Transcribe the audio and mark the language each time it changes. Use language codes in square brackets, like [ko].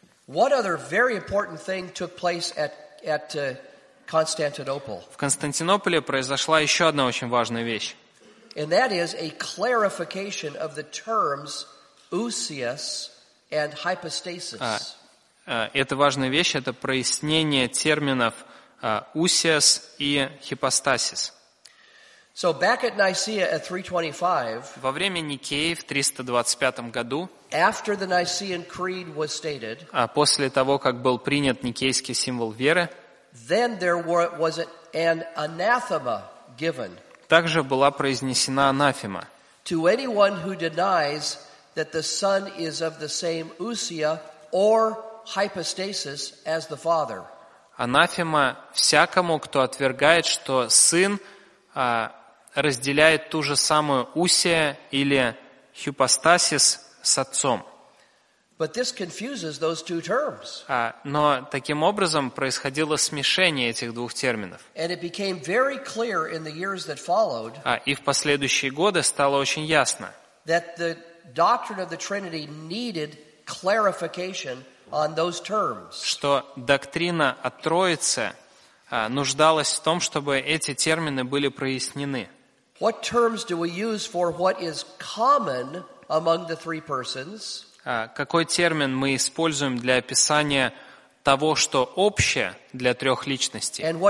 [en] What other very important thing took place at Constantinople? [ru] В Константинополе произошла еще одна очень важная вещь. [en] And that is a clarification of the terms ousios and hypostasis. [ru] Это важная вещь, это прояснение терминов усиас и хипостасис. [en] So back at Nicaea at 325, [ru] во время Никеи в 325 году, [en] after the Nicene Creed was stated, [ru] после того, как был принят никейский символ веры, [en] then there was an anathema given. [ru] Также была произнесена анафема. [en] To anyone who denies that the Son is of the same ousia or hypostasis as the Father. [ru] Анафема всякому, кто отвергает, что Сын разделяет ту же самую усия или хипостасис с Отцом. [en] But this confuses those two terms. [ru] Но таким образом происходило смешение этих двух терминов. [en] And it became very clear in the years that followed. [ru] И в последующие годы стало очень ясно, [en] that the doctrine of the Trinity needed clarification on those terms. [ru] Что доктрина о Троице нуждалась в том, чтобы эти термины были прояснены. [en] What terms do we use for what is common among the three persons? [ru] Какой термин мы используем для описания того, что общее для трех личностей?